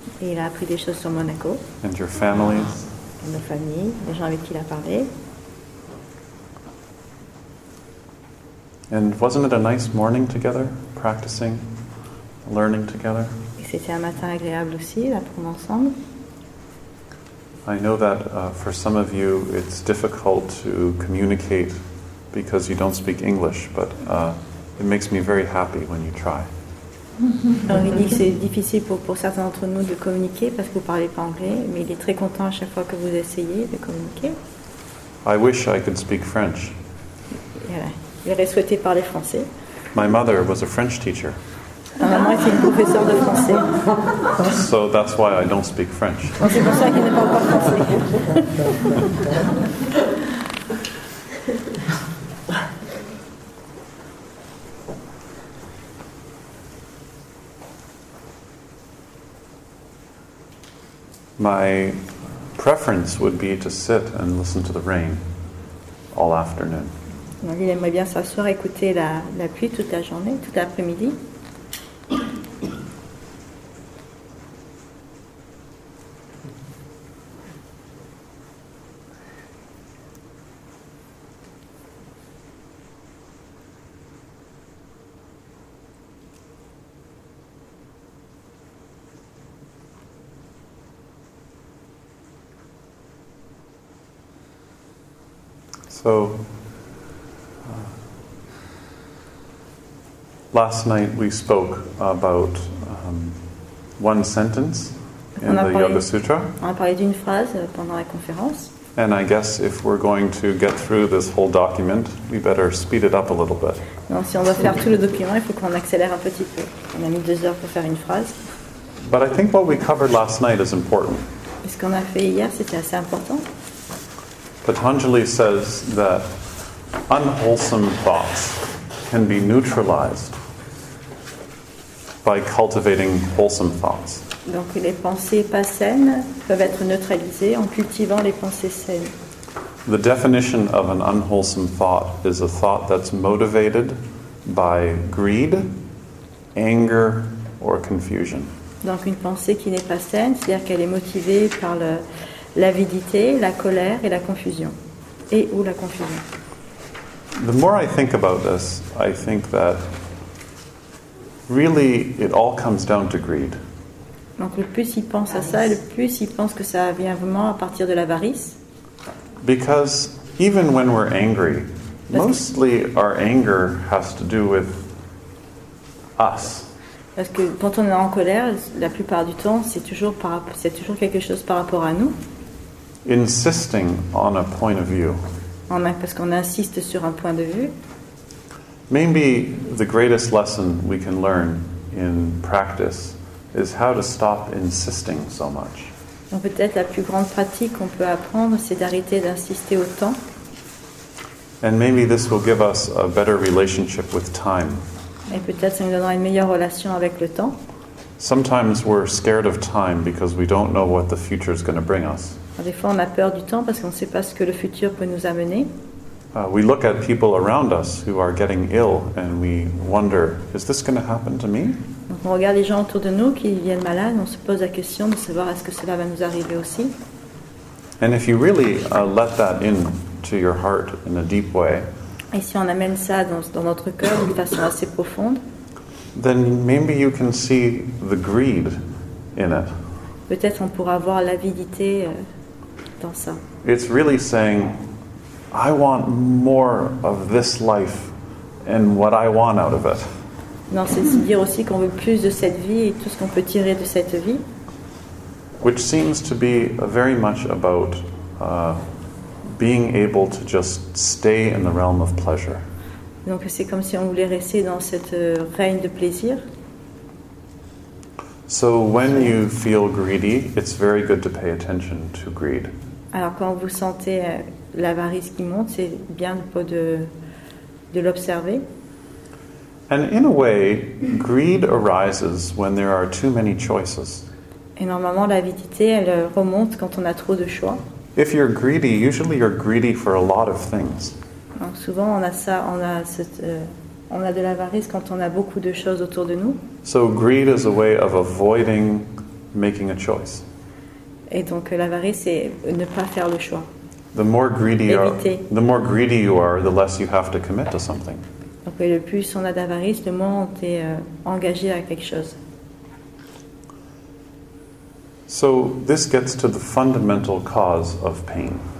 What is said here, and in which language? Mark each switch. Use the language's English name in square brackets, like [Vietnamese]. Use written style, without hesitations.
[French] Et il a appris des choses sur Monaco. [English] And your families. [French] Et nos familles, les gens avec qui il a parlé. [English] And wasn't it a nice morning together, practicing, learning together? [French] Et c'était un matin agréable aussi, d'apprendre ensemble. [English] I know that for some of you it's difficult to communicate because you don't speak English, but it makes me very happy when you try. [French] Donc il dit que c'est difficile pour certains d'entre nous de communiquer parce que vous parlez pas anglais, mais il est très content à chaque fois que vous essayez de communiquer. [English] I wish I could speak French. [French] Voilà. Il aurait souhaité parler français. [English] My mother was a French teacher. [French] Ma mère était une professeure de français. [English] So that's why I don't speak French. [French] C'est pour ça qu'il ne parle pas français. [English] My preference would be to sit and listen to the rain all afternoon. [French] Donc, il aimerait bien s'asseoir et écouter la pluie toute la journée, toute l'après-midi. [English] So, last night we spoke about one sentence in the Yoga Sutra. [French] On a parlé d'une phrase pendant la conférence. [English] And I guess if we're going to get through this whole document, we better speed it up a little bit. [French] Non, si on va faire tout le document, il faut qu'on accélère un petit peu. On a mis 2 heures pour faire une phrase. [English] But I think what we covered last night is important. [French] Ce qu'on a fait hier, c'était assez important. [English] Patanjali says that unwholesome thoughts can be neutralized by cultivating wholesome thoughts. [French] Donc les pensées pas saines peuvent être neutralisées en cultivant les pensées saines. [English] The definition of an unwholesome thought is a thought that's motivated by greed, anger, or confusion. [French] Donc une pensée qui n'est pas saine, c'est-à-dire qu'elle est motivée par l'avidité, la colère et la confusion. Et ou la confusion. [English] The more I think about this, I think that really it all comes down to greed. [French] Donc le plus il pense à ça, le plus il pense que ça vient vraiment à partir de l'avarice. [English] Because even when we're angry, mostly our anger has to do with us. [French] Parce que quand on est en colère, la plupart du temps, c'est toujours quelque chose par rapport à nous. [English] Insisting on a point of view. [French] Parce qu'on insiste sur un point de vue. [English] Maybe the greatest lesson we can learn in practice is how to stop insisting so much. [French] Donc peut-être la plus grande pratique qu'on peut apprendre, c'est d'arrêter d'insister autant. [English] And maybe this will give us a better relationship with time. [French] Et peut-être ça nous donnera une meilleure relation avec le temps. [English] Sometimes we're scared of time because we don't know what the future is going to bring us. [French] Des fois, on a peur du temps parce qu'on ne sait pas ce que le futur peut nous amener. [English] We look at people around us who are getting ill and we wonder, is this going to happen to me? [French] Donc on regarde les gens autour de nous qui viennent malades, on se pose la question de savoir est-ce que cela va nous arriver aussi. [English] And if you really let that in to your heart in a deep way, [French] et si on amène ça dans notre cœur d'une façon assez profonde, [English] then maybe you can see the greed in it. [French] Peut-être on pourra voir l'avidité dans ça. [English] It's really saying, I want more of this life and what I want out of it. [French] Non, c'est dire aussi qu'on veut plus de cette vie et tout ce qu'on peut tirer de cette vie. [English] Which seems to be very much about being able to just stay in the realm of pleasure. [French] Donc c'est comme si on voulait rester dans cette règne de plaisir. [English] So when you feel greedy, it's very good to pay attention to greed. [French] Alors quand vous sentez l'avarice qui monte, c'est bien de l'observer. [English] And in a way, greed arises when there are too many choices. [French] Et normalement, l'avidité, elle remonte quand on a trop de choix. [English] If you're greedy, usually you're greedy for a lot of things. [French] Donc souvent, on a de l'avarice quand on a beaucoup de choses autour de nous. [English] So greed is a way of avoiding making a choice. [French] Et donc l'avarice, c'est ne pas faire le choix. [English] The more greedy you are, the less you have to commit to something. [French] Donc le plus on a d'avarice, le moins on est engagé à quelque chose. [English] So this gets to the fundamental cause of pain.